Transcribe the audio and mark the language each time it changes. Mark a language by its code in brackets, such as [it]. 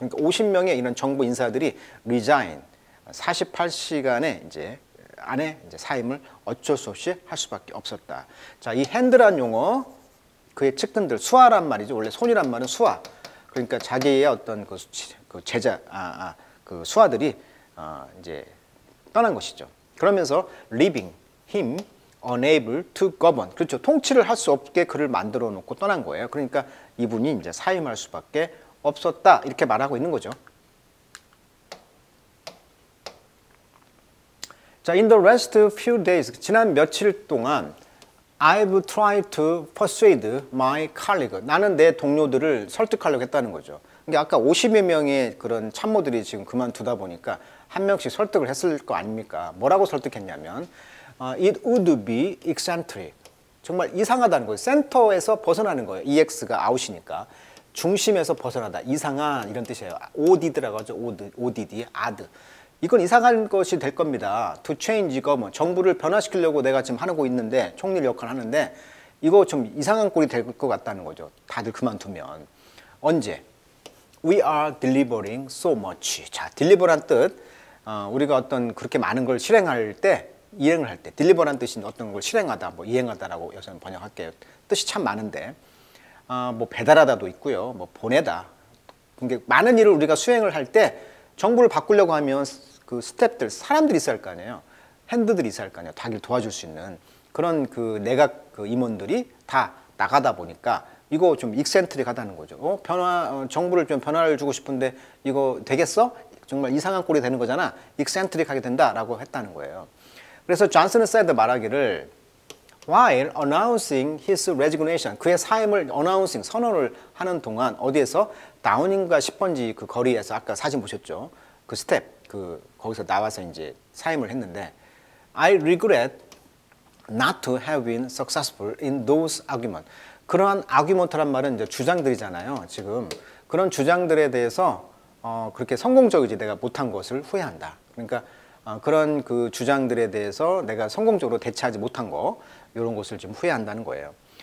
[ko] 그러니까 50명의 이런 정부 인사들이 resign, 48시간에 이제 안에 이제 사임을 어쩔 수 없이 할 수밖에 없었다. 자, 이 hand란 용어, 그의 측근들, 수하란 말이죠. 원래 손이란 말은 수하. 그러니까 자기의 어떤 그 제자, 그 수하들이 이제 떠난 것이죠. 그러면서 [en] leaving him unable to govern. [ko] 그렇죠. 통치를 할 수 없게 그를 만들어 놓고 떠난 거예요. 그러니까 이분이 이제 사임할 수밖에 없었다. 이렇게 말하고 있는 거죠. [en] 자, in the last few days, [ko] 지난 며칠 동안 [en] I've tried to persuade my colleague. [ko] 나는 내 동료들을 설득하려고 했다는 거죠. 그러니까 아까 50여 명의 그런 참모들이 지금 그만두다 보니까 한 명씩 설득을 했을 거 아닙니까? 뭐라고 설득했냐면 [en] it would be eccentric. [ko] 정말 이상하다는 거예요. 센터에서 벗어나는 거예요. EX가 out이니까. 중심에서 벗어나다. 이상한 이런 뜻이에요. ODD라고 하죠. [en] ODD, ADD. [ko] 이건 이상한 것이 될 겁니다. [en] To change government. [ko] 정부를 변화시키려고 내가 지금 하고 있는데, 총리 역할을 하는데 이거 좀 이상한 꼴이 될 것 같다는 거죠. 다들 그만두면. 언제? [en] We are delivering so much. [ko] 자, deliver란 뜻. 우리가 어떤 그렇게 많은 걸 실행할 때 이행을 할 때, deliver란 뜻이 어떤 걸 실행하다, 뭐 이행하다라고 여기서는 번역할게요. 뜻이 참 많은데, 뭐 배달하다도 있고요, 뭐 보내다. 그러니까 많은 일을 우리가 수행을 할 때, 정부를 바꾸려고 하면 그 스텝들, 사람들이 있어야 할 거 아니에요. 핸드들이 있어야 할 거 아니에요. 자기를 도와줄 수 있는 그런 그 내각 그 임원들이 다 나가다 보니까 이거 좀 익센트릭 하다는 거죠. 정부를 좀 변화를 주고 싶은데 이거 되겠어? 정말 이상한 꼴이 되는 거잖아. 익센트릭 하게 된다라고 했다는 거예요. 그래서 존슨은 사이드 말하기를 [en] while announcing his resignation, [ko] 그의 사임을 announcing, 선언을 하는 동안 어디에서 다우닝과 10번지 그 거리에서 아까 사진 보셨죠? 그 스텝, 그 거기서 나와서 이제 사임을 했는데 [en] I regret not to have been successful in those arguments. [ko] 그러한 argument란 말은 이제 주장들이잖아요. 지금 그런 주장들에 대해서 그렇게 성공적이지 내가 못한 것을 후회한다. 그러니까 그런 그 주장들에 대해서 내가 성공적으로 대처하지 못한 거, 이런 것을 지금 후회한다는 거예요.